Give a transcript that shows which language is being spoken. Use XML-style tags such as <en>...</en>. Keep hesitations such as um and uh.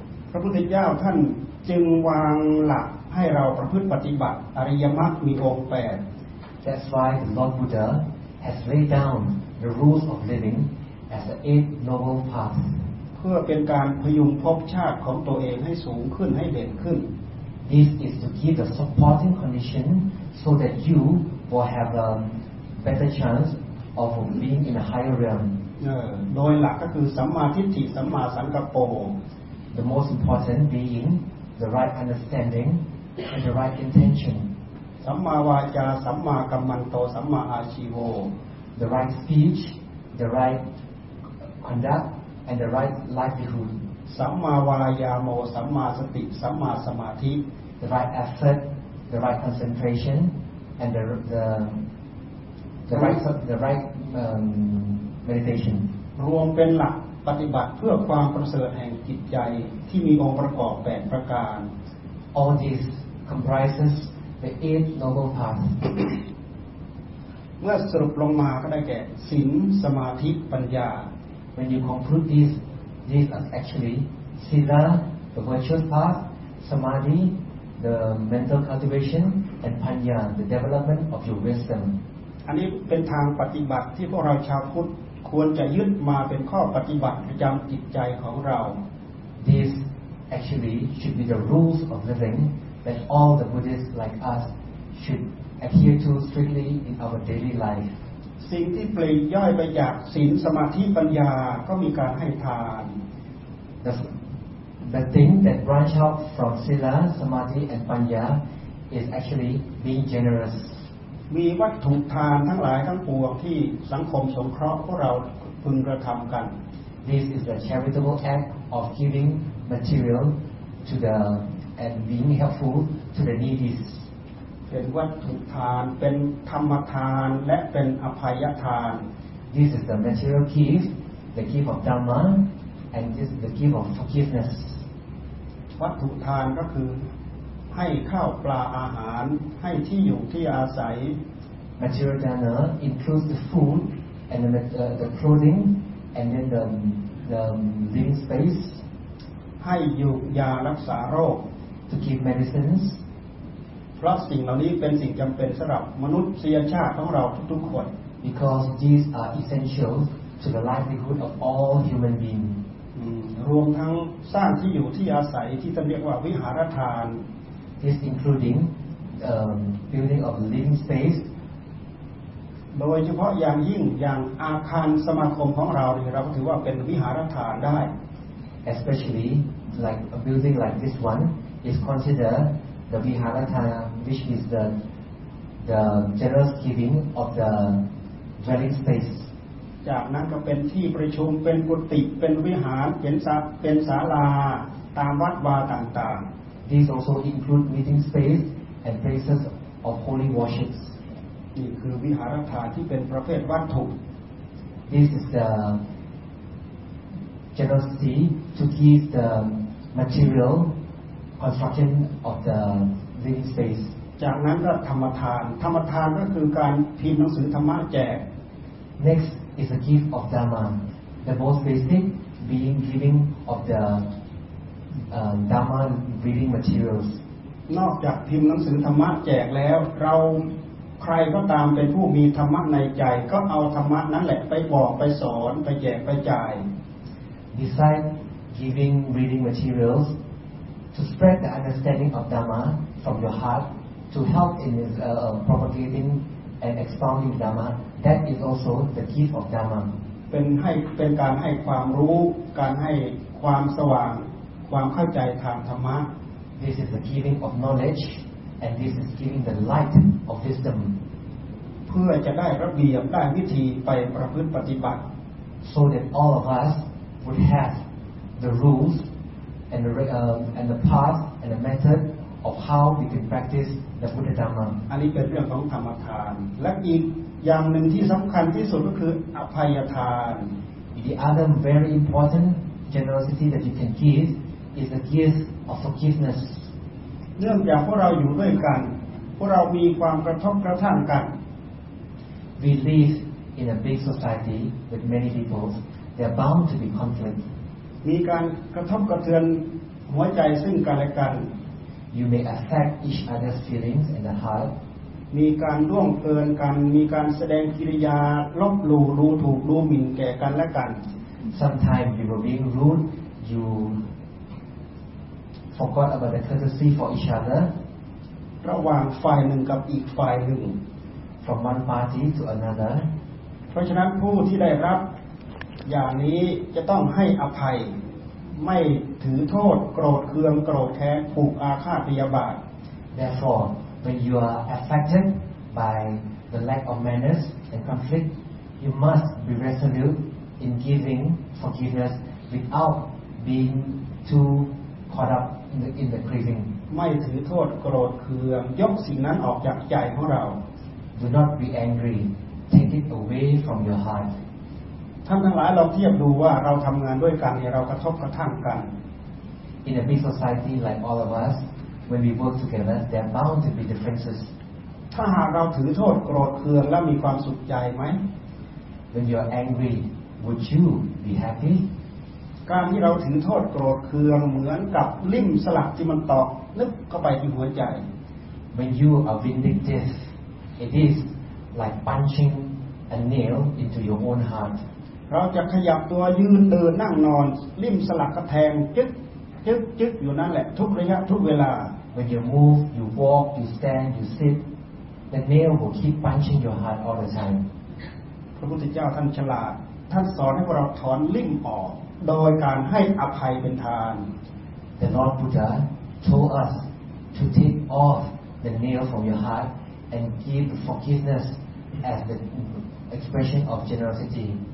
<th>พระพุทธเจ้าท่านจึงวางหลักให้เราประพฤติปฏิบัติอริยมรรคมีองค์แปด</th> <en>That's why the Lord Buddha has laid down the rules of living as the eight noble paths.</en> <th>เพื่อเป็นการพยุงภพชาติของตัวเองให้สูงขึ้นให้เด่นขึ้น</th> <en>This is to give the supporting condition so that you will have a better chance of being in a higher realm.</en> <th>เออโดยหลักก็คือสัมมาทิฏฐิสัมมาสังกัปโป</th> <en>The most important being the right understanding and the right intention.</en> <th>สัมมาวาจา สัมมากัมมันโต สัมมาอาชีโว</th> <en>the right speech, the right conduct, and the right livelihood,</en> <th>สัมมาวายาโม สัมมาสติ สัมมาสมาธิ</th> <en>the right effort, the right concentration, and the the, the right the right um, meditation.</en> <th>รวมเป็นหลักปฏิบัติเพื่อความประเสริฐแห่งจิตใจที่มีองค์ประกอบแปดประการ</th> <en>All this comprises the eight noble paths.</en> <th>เมื่อสรุปลงมาก็ได้แก่ศีลสมาธิปัญญา</th> <en>When you conclude these, these are actually sila, the virtuous path, samadhi, the mental cultivation, and panya, the development of your wisdom.</en> <th>อันนี้เป็นทางปฏิบัติที่พวกเราชาวพุทธควรจะยึดมาเป็นข้อปฏิบัติประจำจิตใจของเรา</th> <en>These actually should be the rules of living that all the Buddhists like us should adhere to strictly in our daily life.</en> <th>สิ่งที่ปลีกย่อยไปจากศีลสมาธิปัญญาก็มีการให้ทาน</th> <en>The, the thing that branch out from Sila, Samadhi and Panya is actually being generous.</en> <th>มีวัตถุทานทั้งหลายทั้งปวงที่สังคมสงเคราะห์พวกเราพึงกระทำกัน</th> <en>This is the charitable act of giving material to the and being helpful to the needy.</en> <th>เป็นวัตถุทาน เป็นธรรมทานและเป็นอภัยทาน</th> <en>This is the material gift, the gift of Dhamma, and this is the gift of forgiveness.</en> <th>วัตถุทานก็คือ ให้ข้าวปลาอาหาร ให้ที่อยู่ที่อาศัย</th> <en>Material dana includes the food and then the, uh, the clothing and then the, the living space</en> <th>ให้อยู่ยารักษาโรค</th> <en>to give medicines</en> <th>เพราะสิ่งเหล่านี้เป็นสิ่งจำเป็นสำหรับมนุษยชาติของเราทุกๆคน</th> <en>because these are essential to the livelihood of all human beings.</en> <th>อืมรวมทั้งสร้างที่อยู่ที่อาศัยที่ท่านเรียกว่าวิหารทาน</th> <en>This including um, building of living space,</en> <th>โดยเฉพาะอย่างยิ่งอย่างอาคารสมาคมของเราเนี่ยเราก็ถือว่าเป็นวิหารทานได้</th> <en>especially like a building like this one is considered the viharatana, which is the, the generous giving of the dwelling space.</en> <th>จากนั้นก็เป็นที่ประชุมเป็นกุฏิเป็นวิหารเป็นศาเป็นศาลา ตามวัดวาต่าง</th> <en>These also include meeting space and places of holy worships.</en> <th>ๆ นี่คือวิหารทานที่เป็นประเภทวัตถุ</th> <en>This is the generosity to give the material construction of the living space.</en> <th>จากนั้นก็ธรรมทาน ธรรมทานก็คือการพิมพ์หนังสือธรรมะแจก</th> <en>Next is the gift of Dharma, the most basic being giving of the uh, Dharma reading materials.</en> <th>นอกจากพิมพ์หนังสือธรรมะแจกแล้ว เราใครก็ตามเป็นผู้มีธรรมะในใจ ก็เอาธรรมะนั้นแหละไปบอกไปสอนไปแจกไปจ่าย</th> <en>Besides giving reading materials, to spread the understanding of Dharma from your heart, to help in uh, propagating and expounding Dharma, that is also the gift of Dharma.</en> <th>เป็นให้เป็นการให้ความรู้ การให้ความสว่าง ความเข้าใจทางธรรมะ</th> <en>This is the giving of knowledge, and this is giving the light of wisdom,</en> <th>เพื่อจะได้ระเบียบได้วิธีไปประพฤติปฏิบัติ</th> <en>so that all of us would have the rules and the, re- uh, and the path and the method of how we can practice the Buddha Dharma.</en> <th>อันนี้เป็นเรื่องของธรรมทาน และอีกอย่างหนึ่งที่สำคัญที่สุดก็คืออภัยทาน</th> <en>The other very important generosity that you can give is the gift of forgiveness.</en> <th>เนื่องจากพวกเราอยู่ด้วยกัน พวกเรามีความกระทบกระทั่งกัน</th> <en>We live in a big society with many people. There are bound to be conflict.</en> <th>มีการกระทบกระเทือนหัวใจซึ่งกันและกัน</th> <en>You may affect each other's feelings in the heart,</en> <th>มีการร่วงเกินกัน มีการแสดงกิริยาลบหลู่รู้ถูกรู้หมิ่นแก่กันและกัน</th> <en>Sometimes you were being rude, you forgot about the courtesy for each other</en> <th>ระหว่างฝ่ายหนึ่งกับอีกฝ่ายหนึ่ง</th> <en>from one party to another.</en> <th>เพราะฉะนั้นผู้ที่ได้รับอย่างนี้จะต้องให้อภัย ไม่ถือโทษโกรธเคืองโกรธแค้นผูกอาฆาตพยาบาท</th> <en>Therefore, when you are affected by the lack of manners and conflict, you must be resolute in giving forgiveness without being too caught up in the, in the grieving.</en> <th>ไม่ถือโทษโกรธเคืองยกสิ่งนั้นออกจากใจของเรา</th> <en>Do not be angry. Take it away from your heart.</en> <th>ท่านทั้งหลายเราเทียบดูว่าเราทำงานด้วยกันเนี่ยเรากระทบกระทั่งกัน</th> <en>In a big society like all of us, when we work together, there are bound to be differences.</en> <th>ถ้าหากเราถือโทษโกรธเคืองแล้วมีความสุขใจไหม</th> <en>When you are angry, would you be happy?</en> <th>การที่เราถือโทษโกรธเคืองเหมือนกับลิ่มสลักที่มันตอกลึกเข้าไปที่หัวใจ</th> <en>When you are vindictive, it is like punching a nail into your own heart.</en> <th>เราจะขยับตัวยืนเดินนั่งนอน ลิ่มสลักกระแทงจึ๊กจึ๊กจึ๊กอยู่นั่นแหละทุกระยะทุกเวลา</th> <en>When you move, you walk, you stand, you sit, the nail will keep punching your heart all the time.</en> <th>พระพุทธเจ้าท่านฉลาด ท่านสอนให้พวกเราถอนลิ่มออก โดยการให้อภัยเป็นทาน</th> <en>The Lord Buddha told us to take off the nail from your heart and give forgiveness as the expression of generosity.</en>